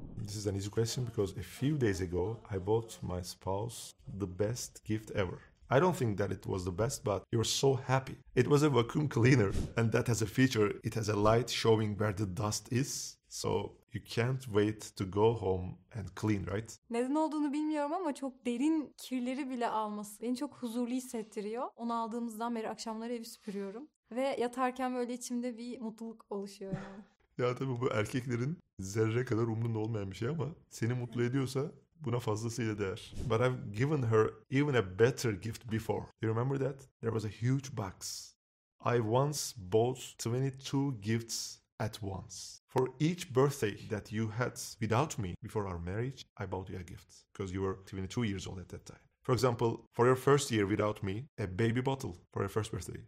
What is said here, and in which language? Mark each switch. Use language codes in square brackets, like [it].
[en] This is an easy question because a few days ago, I bought my spouse the best gift ever. I don't think that it was the best, but you were so happy. It was a vacuum cleaner, and that has a feature. It has a light showing where the dust is, so you can't wait to go home and clean, right? [tr] Neden olduğunu bilmiyorum ama çok derin kirleri bile alması beni çok huzurlu hissettiriyor. Onu aldığımızdan beri akşamları evi süpürüyorum. Ve yatarken böyle içimde bir mutluluk oluşuyor yani. Ya tabii bu erkeklerin zerre kadar umrunda olmayan bir şey ama seni mutlu ediyorsa buna fazlasıyla değer. [en] But I've given her even a better gift before. You remember that? There was a huge box. I once bought 22 gifts at once. For each birthday that you had without me before our marriage, I bought you a gift. Because you were 22 years old at that time. For example, for your first year without me, a baby bottle for your first birthday.